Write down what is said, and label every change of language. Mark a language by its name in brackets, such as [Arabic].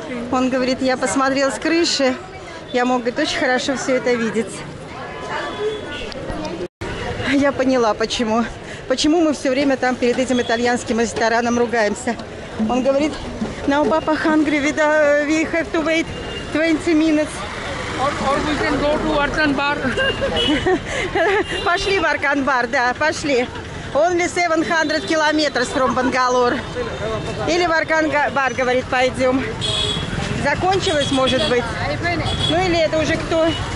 [Russian] Он говорит, я посмотрел с крыши. Я мог, говорит, очень хорошо все это видеть. Я поняла, почему. Почему мы все время там перед этим итальянским рестораном ругаемся? Он говорит, [English] now papa hungry, we have to wait 20 minutes. Or we can go to Arkan bar. [Russian] Пошли в Arkan bar, да, пошли. [English] Only 700 kilometers from Bangalore. [Russian] Или в Arkan bar, говорит, пойдем. Закончилось, может быть? Ну или это уже кто?